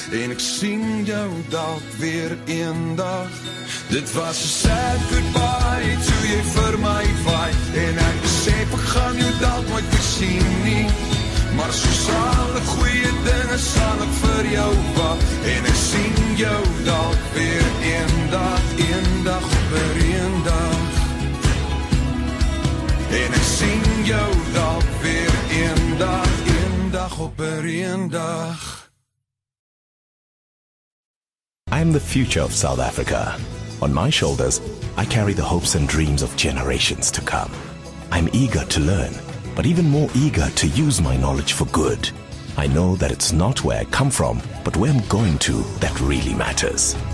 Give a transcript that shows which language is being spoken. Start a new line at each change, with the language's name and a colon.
Afrikaans: En ek sien jou dalk weer een dag. Dit was
English: sad goodbye,
Afrikaans: toe jy vir my waai. En ek besef, ek gaan jou dalk nooit weer sien nie. Maar soos alle goeie dinge sal ek vir jou wag. En ek sien jou dalk weer een dag op weer een dag. En ek sien jou dalk weer een dag op weer een dag.
English: I'm the future of South Africa. On my shoulders, I carry the hopes and dreams of generations to come. I'm eager to learn, but even more eager to use my knowledge for good. I know that it's not where I come from, but where I'm going to that really matters.